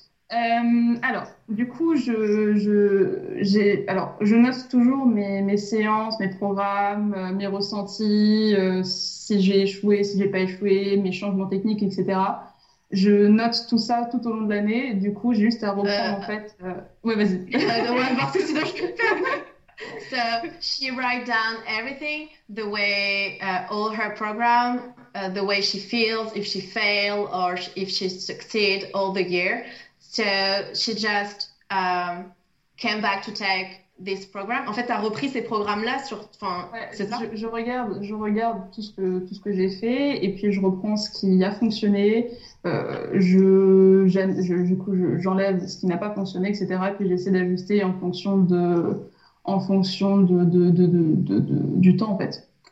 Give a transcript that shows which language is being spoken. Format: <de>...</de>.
<fr>Alors, je note toujours mes séances, mes programmes, mes ressentis, si j'ai échoué, si j'ai pas échoué, mes changements techniques, etc. Je note tout ça tout au long de l'année. Du coup, j'ai juste à reprendre, en fait. Ouais, Parce que sinon je peux pas. vas-y.</fr> <en>So she write down everything, the way all her program, the way she feels if she fail or if she succeed all the year. So she just came back to take this program.</en> <fr>En fait, t'as repris ces programmes-là sur, enfin, Ouais, c'est ça? je regarde tout ce que j'ai fait et puis je reprends ce qui a fonctionné. Du coup, j'enlève ce qui n'a pas fonctionné, etc. Et puis j'essaie d'ajuster en fonction du temps, en fait.</fr>